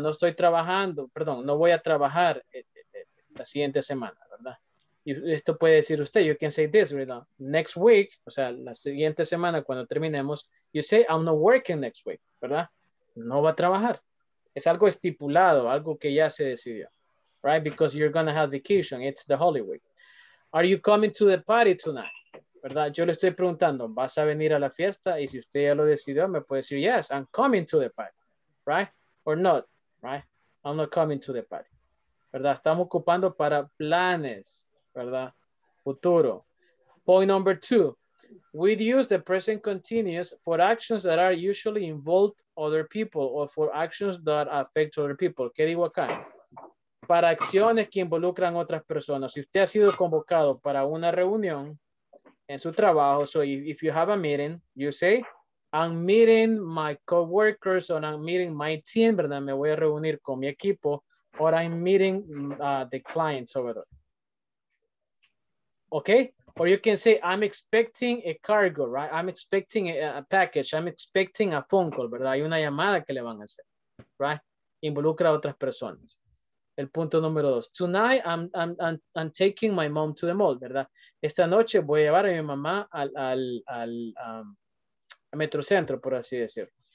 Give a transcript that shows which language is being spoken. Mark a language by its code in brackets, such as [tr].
[es] No estoy trabajando, perdón, no voy a trabajar la siguiente semana, ¿verdad? Y esto puede decir usted, [en] you can say this, [es] ¿verdad? [en] Next week, [es] o sea, la siguiente semana cuando terminemos, [en] you say, I'm not working next week, [es] ¿verdad? No va a trabajar. Es algo estipulado, algo que ya se decidió, right? [en] Because you're going to have vacation, it's the Holy Week. Are you coming to the party tonight? ¿Verdad? [es] Yo le estoy preguntando, ¿vas a venir a la fiesta? Y si usted ya lo decidió, me puede decir, [en] yes, I'm coming to the party. Right? Or not, right? I'm not coming to the party. ¿Verdad? [es] Estamos ocupando para planes, [en] ¿verdad? Futuro. Point number two. We use the present continuous for actions that are usually involved other people or for actions that affect other people. [es] ¿Qué digo acá? Para acciones que involucran otras personas. Si usted ha sido convocado para una reunión en su trabajo, [en] so if you have a meeting, you say, I'm meeting my coworkers or I'm meeting my team, ¿verdad? [es] Me voy a reunir con mi equipo, [en] or I'm meeting the clients over there. Okay? Or you can say, I'm expecting a cargo, right? I'm expecting a package. I'm expecting a phone call, ¿verdad? [es] Hay una llamada que le van a hacer, right? Involucra a otras personas. El punto número dos. [en] Tonight, I'm taking my mom to the mall, ¿verdad? [es] Esta noche voy a llevar a mi mamá al Metrocentro, por así decirlo.